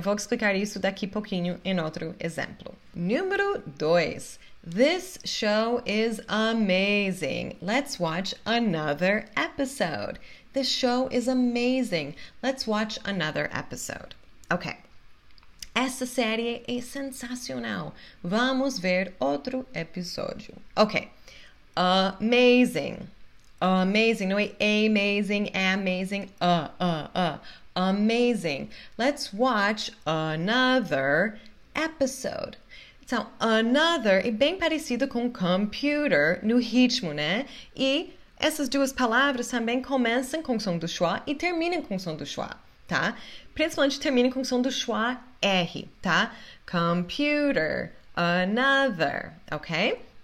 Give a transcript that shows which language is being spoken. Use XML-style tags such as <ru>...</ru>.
<pt>Eu vou explicar isso daqui pouquinho em outro exemplo. Número 2.</pt> <en>This show is amazing. Let's watch another episode. This show is amazing. Let's watch another episode. Ok.</en> <pt>Essa série é sensacional. Vamos ver outro episódio.</pt> <en>Ok. Amazing. Amazing.</en> <pt>Não é</pt> <en>amazing, amazing. Amazing. Let's watch another episode.</en> <pt>Então, another é bem parecido com computer no ritmo, né? E essas duas palavras também começam com o som do schwa e terminam com o som do schwa, tá? Principalmente termina com o som do schwa R, tá? Computer, another, ok?</pt>